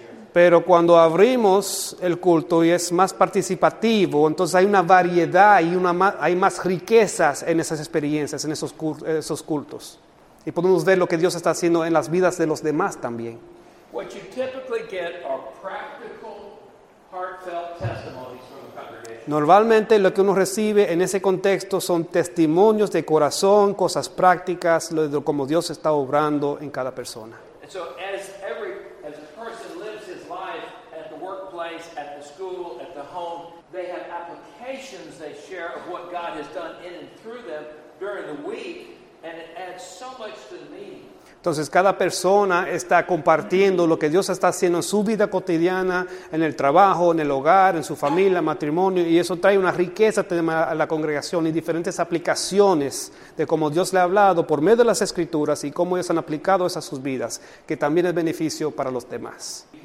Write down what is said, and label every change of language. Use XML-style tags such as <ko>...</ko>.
<es>pero cuando abrimos el culto y es más participativo, entonces hay una variedad y hay más riquezas en esas experiencias, en esos cultos. Y podemos ver lo que Dios está haciendo en las vidas de los demás también.</es> <en>What you typically get are practical, heartfelt testimonies from the congregation.</en> <es>Normalmente lo que uno recibe en ese contexto son testimonios de corazón, cosas prácticas, como Dios está obrando en cada persona.</es> <en>So as a person lives his life at the workplace, at the school, at the home, they have applications they share of what God has done in and through them during the week, and it adds so much to the meeting.</en> <es>Entonces cada persona está compartiendo lo que Dios está haciendo en su vida cotidiana, en el trabajo, en el hogar, en su familia, matrimonio, y eso trae una riqueza a la congregación y diferentes aplicaciones de cómo Dios le ha hablado por medio de las Escrituras y cómo ellos han aplicado eso a sus vidas, que también es beneficio para los demás.</es>